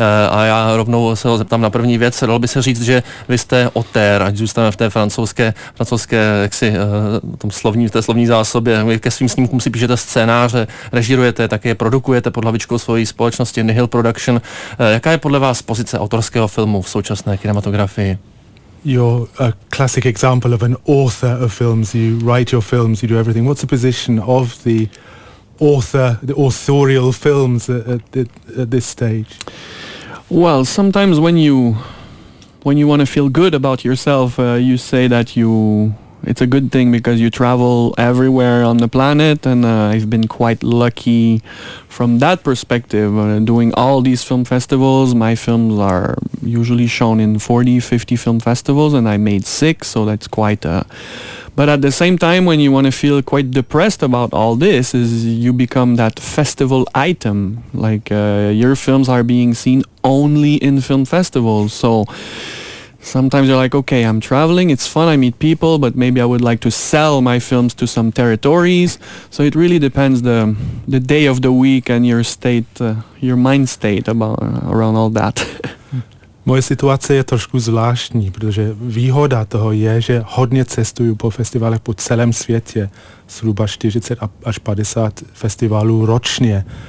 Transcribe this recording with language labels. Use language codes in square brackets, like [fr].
[cs] A já rovnou se ho zeptám na první věc. Dalo by se říct, že vy jste auteur, ať zůstaneme v té francouzské jaksi té slovní zásobě. Vy ke svým snímkům si píšete scénáře, režírujete, tak je produkujete pod hlavičkou svojí společnosti Nihil Production. Jaká je podle vás pozice autorského filmu v současné kinematografii? [en] You're a classic example of an author of films. You write your films, you do everything. What's the position of the author, the authorial films at this stage? Well, sometimes when you want to feel good about yourself, you say that you... It's a good thing because you travel everywhere on the planet, and I've been quite lucky from that perspective, doing all these film festivals. My films are usually shown in 40, 50 film festivals, and I made 6, so that's quite a... But at the same time, when you want to feel quite depressed about all this, is you become that festival item. Like, your films are being seen only in film festivals, so... Sometimes you're like, okay, I'm traveling, it's fun, I meet people, but maybe I would like to sell my films to some territories. So it really depends the day of the week and your state, your mind state about around all that. [cs] Moje situace je trošku zvláštní, protože výhoda toho je, že hodně cestuju po festivalech po celém světě, zhruba 40 až 50 festivalů ročně.